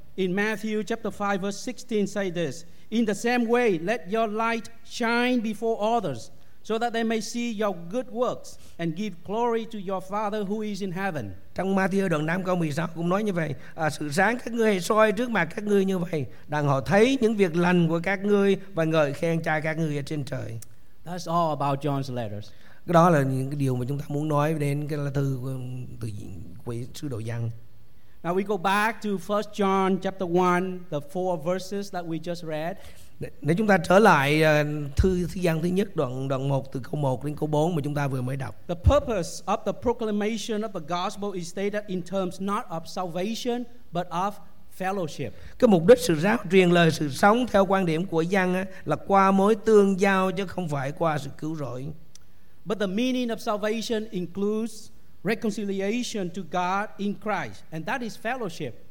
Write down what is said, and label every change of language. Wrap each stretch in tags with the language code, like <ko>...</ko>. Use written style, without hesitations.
<en>In Matthew chapter 5 verse 16 say this, in the same way let your light shine before others so that they may see your good works and give glory to your Father who is in heaven.</en> <vi>Trong Matthew đoạn 5 câu 16 cũng nói như vậy, sự sáng các ngươi hãy soi trước mặt các ngươi như vậy, đặng họ thấy những việc lành của các ngươi và ngợi khen Cha các ngươi ở trên trời.</vi> <en>That's all about John's letters.</en> <vi>Đó là những cái điều mà chúng ta muốn nói đến cái lá thư của sứ đồ Giăng.</vi> <en>Now we go back to 1 John chapter 1, the four verses that we just read.</en> <vi>Nếu chúng ta trở lại thư Giăng thứ nhất đoạn 1 từ câu 1 đến câu 4 mà chúng ta vừa mới đọc.</vi> <en>The purpose of the proclamation of the gospel is stated in terms not of salvation but of fellowship.</en> <vi>Cái mục đích sự giáo truyền lời sự sống theo quan điểm của Giăng là qua mối tương giao chứ không phải qua sự cứu rỗi.</vi> <en>But the meaning of salvation includes reconciliation to God in Christ, and that is fellowship.</en>